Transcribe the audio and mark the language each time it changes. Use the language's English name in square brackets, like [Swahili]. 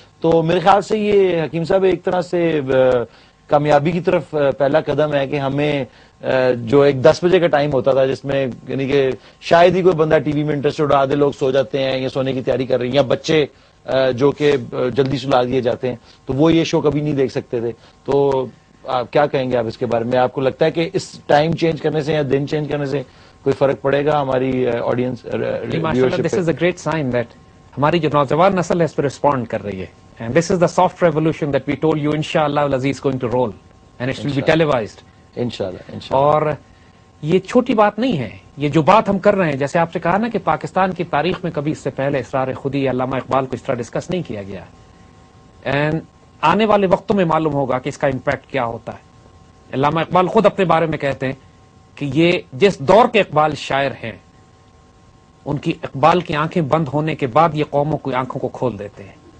[Urdu] تو میرے خیال سے یہ حکیم صاحب ایک طرح سے کامیابی کی طرف پہلا قدم ہے کہ ہمیں جو ایک 10 بجے کا ٹائم ہوتا تھا جس میں یعنی کہ شاید ہی کوئی بندہ ٹی وی میں انٹرسٹڈ ہو, آدھے لوگ سو جاتے ہیں یا سونے کی تیاری کر رہے ہیں یا بچے جو کہ جلدی سلا دیے جاتے ہیں تو وہ یہ شو کبھی نہیں دیکھ سکتے تھے. تو آپ کیا کہیں گے آپ اس کے بارے میں, آپ کو لگتا ہے کہ اس ٹائم چینج کرنے سے یا دن چینج کرنے سے کوئی فرق پڑے گا ہماری audience? [English] this is a great sign that [Urdu] ہماری جو نوجوان نسل ہے اس پہ ریسپونڈ کر رہی ہے. [English] And this is the soft revolution that we told you, inshallah, Al-Aziz is going to roll. And it will be televised. Inshallah. [Urdu] اور یہ چھوٹی بات نہیں ہے, یہ جو بات ہم کر رہے ہیں, جیسے آپ سے کہا نا کہ پاکستان کی تاریخ میں کبھی اس سے پہلے اسرار خودی یا علامہ اقبال کو اس طرح ڈسکس نہیں کیا گیا. And آنے والے وقتوں میں معلوم ہوگا کہ اس کا امپیکٹ کیا ہوتا ہے. علامہ اقبال خود اپنے بارے میں کہتے ہیں کہ یہ جس دور کے اقبال شاعر ہیں ان کی اقبال کی آنکھیں بند ہونے کے بعد یہ قوموں کی آنکھوں کو کھول دیتے ہیں.